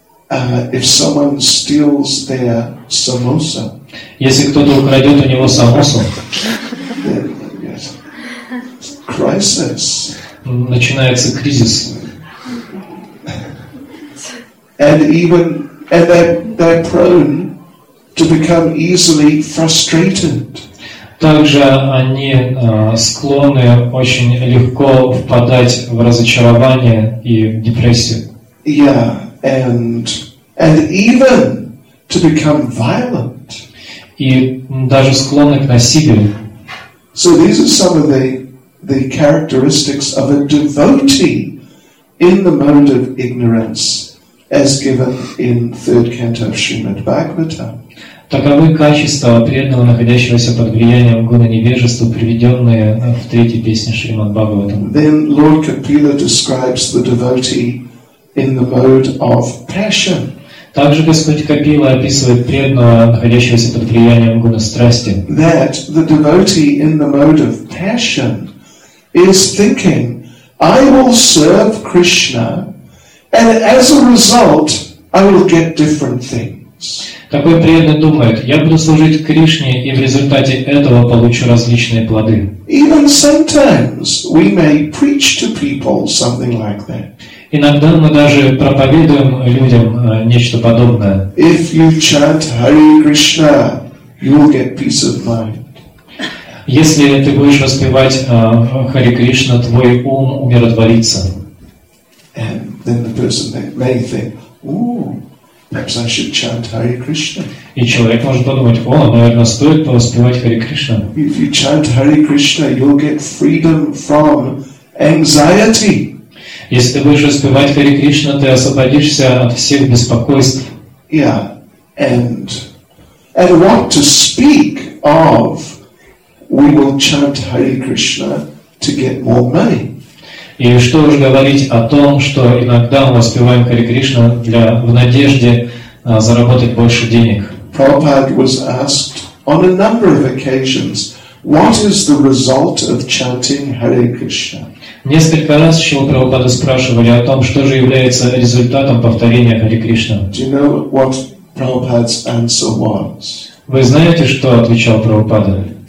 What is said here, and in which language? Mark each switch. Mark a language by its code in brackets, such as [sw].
[en] If someone steals their samosa, [ru] если кто-то украдет у него самосу, [en] crisis. [ru] Начинается кризис. [en] And they're prone to become easily frustrated. [ru] Также они склонны очень легко впадать в разочарование и депрессию. [en] Yeah, and even to become violent. [ru] И даже склонны к насилию. [en] So these are some of the characteristics of a devotee in the mode of ignorance, as given in third canto of Srimad Bhagavatam. [ru] Таковы качества преданного, находящегося под влиянием гуны невежества, приведенные в третьей песне Шримад Бхагаватам. [en] Then Lord Kapila describes the devotee in the mode of passion. [ru] Также Господь Капила описывает преданного, находящегося под влиянием гуны страсти. [en] That the devotee in the mode of passion is thinking, I will serve Krishna, and as a result, I will get different things. [ru] Такой преданный думает, я буду служить Кришне, и в результате этого получу различные плоды. [en] Even sometimes we may preach to people something like that. [ru] Иногда мы даже проповедуем людям нечто подобное. [en] If you chant Hare Krishna, you will get peace of mind. [ru] Если ты будешь воспевать Хари Кришна, твой ум умиротворится. [en] And then the person may think, perhaps I should chant Hare Krishna. [ru] И человек может подумать, наверное, стоит повоспевать Хари Кришна. [en] If you chant Hare Krishna, you'll get freedom from anxiety. [ru] Если ты будешь воспевать Хари Кришна, ты освободишься от всех беспокойств. [en] Yeah, and what to speak of? We will chant Hare Krishna to get more money. [ru] И что уж говорить о том, что иногда мы воспеваем Хари Кришна для в надежде заработать больше денег. [en] Prabhupada was asked on a number of occasions, what is the result of chanting Hare Krishna? [ru] Несколько раз Шрила Прабхупада спрашивали о том, что же является результатом повторения Хари Кришна. [en] Do you know what Prabhupada's answer was? [ru] Вы знаете, что отвечал Прабхупада?